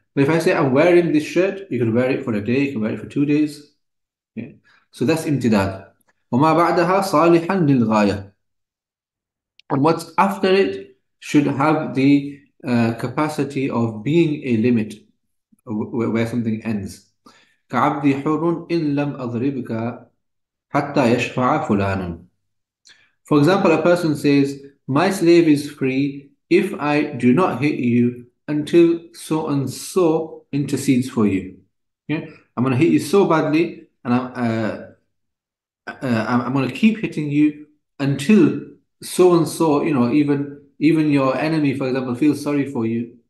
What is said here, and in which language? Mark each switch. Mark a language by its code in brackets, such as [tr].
[en] But if I say I'm wearing this shirt, you can wear it for a day, you can wear it for 2 days. So that's imtidad. [ar] وما بعدها صالحا للغاية. [en] And what's after it should have the capacity of being a limit where something ends. [ar] كعبد حر إن لم أضربك حتى يشفع فلان. [en] For example, a person says, my slave is free if I do not hit you until so and so intercedes for you. Yeah? I'm going to hit you so badly and I'm going to keep hitting you until so and so, you know, even your enemy, for example, feels sorry for you.